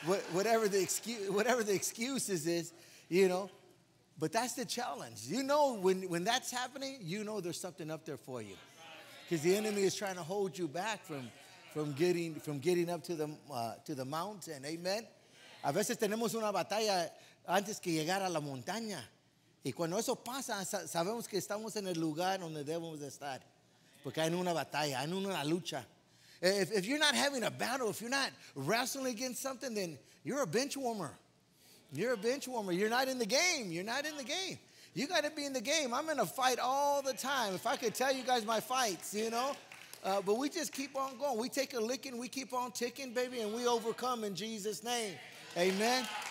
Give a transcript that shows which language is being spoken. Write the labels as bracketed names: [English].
[English] whatever the excuses is, you know. But that's the challenge. You know, when that's happening, you know there's something up there for you. Because the enemy is trying to hold you back from getting up to the mountain. Amen. [Spanish] A veces tenemos una batalla antes que llegar a la montaña. Y cuando eso pasa, sabemos que estamos en el lugar donde debemos estar. Porque hay una batalla, hay una lucha. [English] If you're not having a battle, if you're not wrestling against something, then you're a bench warmer. You're a bench warmer. You're not in the game. You're not in the game. You got to be in the game. I'm in a fight all the time. If I could tell you guys my fights, you know. But we just keep on going. We take a licking, we keep on ticking, baby, and we overcome in Jesus' name. Amen.